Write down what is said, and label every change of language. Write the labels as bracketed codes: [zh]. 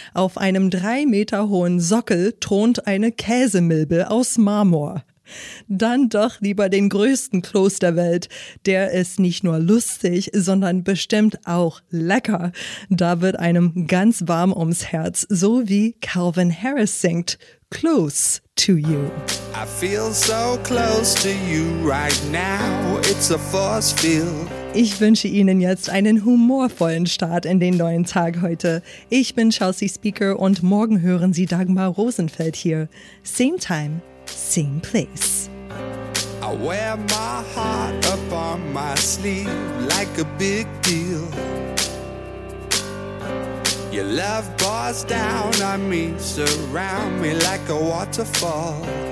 [de] Auf einem 3 Meter hohen Sockel thront eine Käsemilbe aus Marmor. Dann doch lieber den größten Kloß der Welt. Der ist nicht nur lustig, sondern bestimmt auch lecker. Da wird einem ganz warm ums Herz, so wie Calvin Harris singt Close to You. [en] I feel so close to you right now. It's a force field. [de] Ich wünsche Ihnen jetzt einen humorvollen Start in den neuen Tag heute. Ich bin Chelsea Speaker und morgen hören Sie Dagmar Rosenfeld hier. [en] Same time, same place. I wear my heart up on my sleeve like a big deal. Your love pours down on me, surround me like a waterfall.